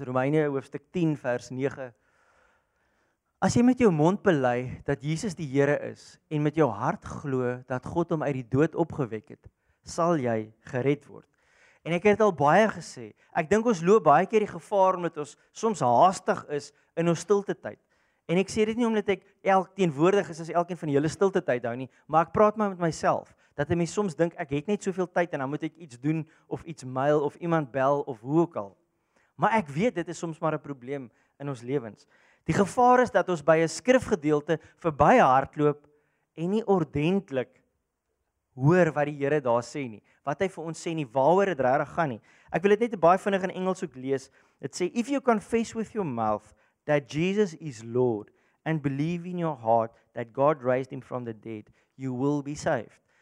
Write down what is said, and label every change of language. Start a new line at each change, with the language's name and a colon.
Afrikaans: Romeine hoofstuk 10 vers 9. As jy met jou mond bely dat Jesus die Here is en met jou hart glo dat God hom uit die dood opgewek het, sal jy gered word. En ek het al baie gesê, ek dink ons loop baie keer die gevaar omdat ons soms haastig is in ons stilte tyd. En ek sê dit nie omdat ek elk teenwoordig is as elkeen van julle stilte tyd hou nie, maar ek praat maar met myself, dat ek soms dink ek het net soveel tyd en dan moet ek iets doen of iets mail of iemand bel of hoe ook al. Maar ek weet dit is soms maar 'n probleem in ons lewens. Die gevaar is dat ons by 'n skrifgedeelte verby hardloop en nie ordentlik hoor wat die Here daar sê nie. Wat hy vir ons sê nie, waaroor dit regtig gaan nie. Ek wil dit net baie vinnig in Engels ook lees.
English: Dit sê, if you confess with your mouth that Jesus is Lord and believe in your heart that God raised him from the dead, you will be saved.